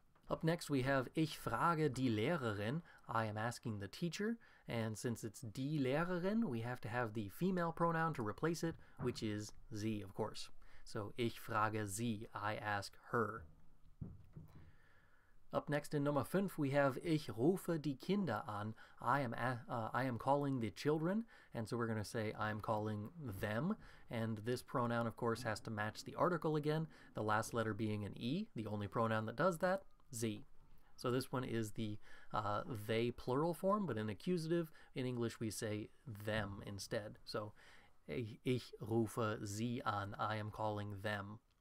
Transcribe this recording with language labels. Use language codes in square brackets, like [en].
[en] Up next, we have [de] Ich frage die Lehrerin. [en] I am asking the teacher, and since it's die Lehrerin, we have to have the female pronoun to replace it, which is sie, of course. [de] So ich frage sie, [en] I ask her. Up next in Nummer 5 we have [de] ich rufe die Kinder an. [en] I am calling the children, and so we're going to say I'm calling them. And this pronoun, of course, has to match the article again, the last letter being an E, the only pronoun that does that, sie. So this one is the they plural form, but in accusative, in English we say them instead. [de] So ich rufe sie an, [en] I am calling them.